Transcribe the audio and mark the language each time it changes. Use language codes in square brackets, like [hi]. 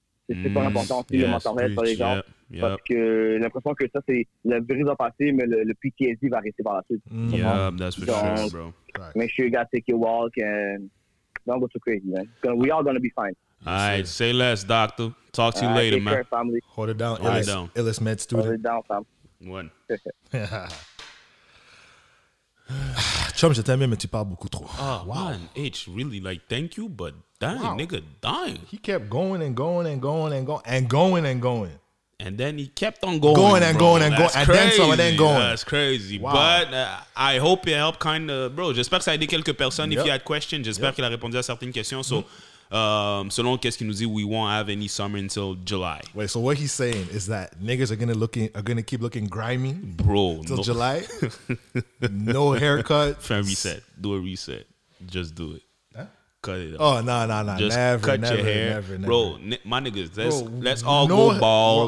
[fr] C'est super important aussi, le [en] mental health, [fr] par exemple. Parce que j'ai l'impression que ça, c'est le virus va passer, mais le PTSD va rester par la suite. [en] That's for sure, bro. Make sure you guys take your walk and don't go too crazy, man. We all gonna be fine. All right, say less, doctor. Talk to you later, man. Care, family. Hold it down. Hold it down. Illest med student. Hold it down, fam. One. [fr] Chum, je t'aime, mais tu parles beaucoup trop. [en] Man, H, really, like, thank you, but dying, nigga, dying. He kept going and going and going and going and going and going. And then he kept on going. Going and bro. Going and going. And then some and then going. That's crazy. Wow. But I hope it helped kind of, bro, [fr] j'espère que ça a aidé quelques personnes. Yep. [en] If you had questions, [fr] j'espère qu'il a répondu à certaines questions. [en] So, [fr] selon qu'est-ce qu'il nous dit, [en] we won't have any summer until July. Wait, so what he's saying is that niggas are gonna look in, are gonna keep looking grimy, bro, until July. No haircut. Friend, reset. Do a reset. Just do it. Cut it off. Oh no no no! Just never, cut never, your hair, never, never. Bro. My niggas, let's all go bald.